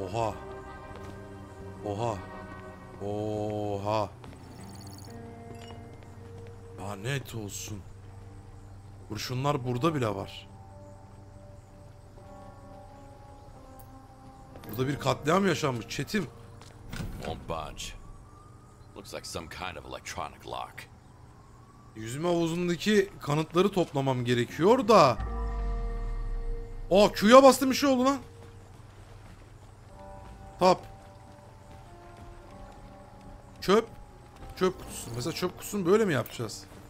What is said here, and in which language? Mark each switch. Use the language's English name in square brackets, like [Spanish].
[Turkish] Oha. Oha. Oha. Lanet olsun. Kurşunlar burada bile var. Burada bir katliam yaşanmış. Çetin. [English] Won't budge. Looks like some kind of electronic lock. [Turkish] Yüzme havuzundaki kanıtları toplamam gerekiyor da. Oh, Q'ya bastım, bir şey oldu lan. [English] Tap. [Turkish] Çöp. Çöp kutusu. Mesela çöp kutusunu böyle mi yapacağız?